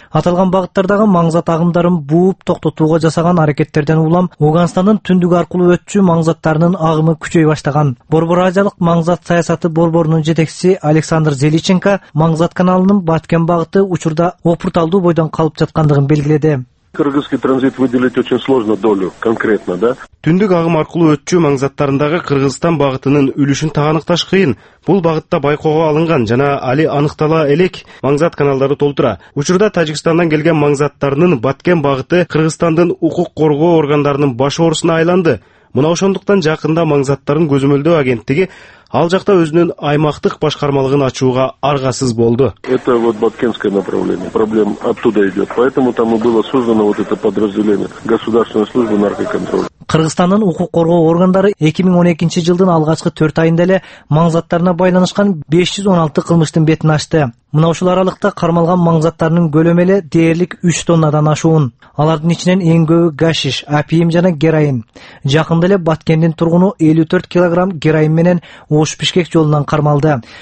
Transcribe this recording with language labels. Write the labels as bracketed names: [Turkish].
[Kyrgyz] Аталган багыттардагы маң зат агымдарын бууп токтотууга жасаган аракеттерден улам Ооганстандын түндүк аркылуу өтчү маң заттарынын агымы күчөй баштаган. Борбор Азиялык маң зат саясаты борборунун жетекчиси Александр Зеличенко маң зат каналынын Баткен багыты учурда опурталдуу бойдон калып жаткандыгын белгиледи. [Russian] Кыргызский транзит выделить очень сложно долю конкретно, да? [Kyrgyz] Түндүк агым аркылуу өтчү маң заттарындагы Кыргызстан багытынын үлүшүн тааныкташ кыйын. Бул багытта байкоого алынган жана али аныктала элек маң зат каналдары толтура. Учурда Тажикстандан келген маң заттарынын Баткен багыты Кыргызстандын укук коргоо органдарынын баш оорусуна айланды. Мына ошондуктан жакында маң заттарын көзөмөлдөө агенттиги ал жакта өзүнүн аймактык башкармалыгын ачууга аргасыз болду. [Russian] Это вот Баткенское направление. Проблема оттуда идет. Поэтому там и было создано вот это подразделение государственной службы наркоконтроля. [Kyrgyz] Кыргызстандын укук коргоо органдары 2012 жылдын алгачкы 4 айында эле маң заттарына байланышкан 516 кылмыштын бетин ачты. Мына ушул аралыкта кармалган маң заттарынын көлөмү эле дээрлик 3 тоннадан ашуун. Алардын ичинен эң көбү гашиш, апийим жана героин. Жакында эле Баткендин тургуну 54 килограмм героин менен Ош Бишкек жолунан кармалды.